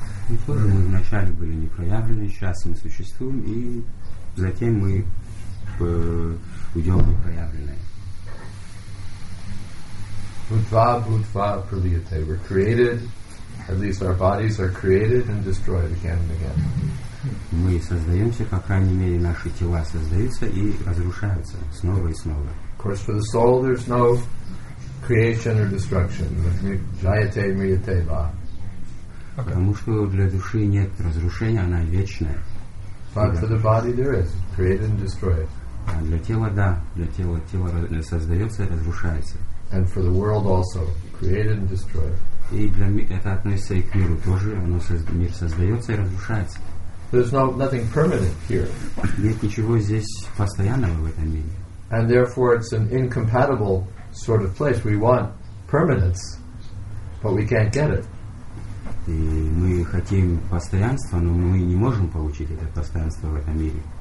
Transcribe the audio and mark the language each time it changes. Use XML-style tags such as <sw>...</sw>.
<ru>И тоже мы вначале были непроявлены, сейчас мы существуем, и затем мы уйдем в непроявленное.</ru> <sa>Будва, будва, пролиете.</sa> <en>We're created, at least our bodies are created and destroyed again and again.</en> <ru>Мы создаемся, по крайней мере, наши тела создаются и разрушаются снова и снова.</ru> <en>Of course, for the soul there's no creation or destruction.</en> <sa>Jayate, mriyate, va.</sa> <en>Okay.</en> <ru>Потому что для души нет разрушения, она вечная.</ru> <en>But for the body there is, created and destroyed.</en> <ru>А для тела да, для тела тело создается и разрушается.</ru> <en>And for the world also, created and destroyed.</en> <ru>И для это относится и к миру тоже, оно мир создается и разрушается.</ru> <en>There's no nothing permanent here.</en> <ru>Нет ничего здесь постоянного в этом мире.</ru> <en>And therefore it's an incompatible sort of place. We want permanence, but we can't get it.</en> <ru>И мы хотим постоянства, но мы не можем получить это постоянство в этом мире.</ru>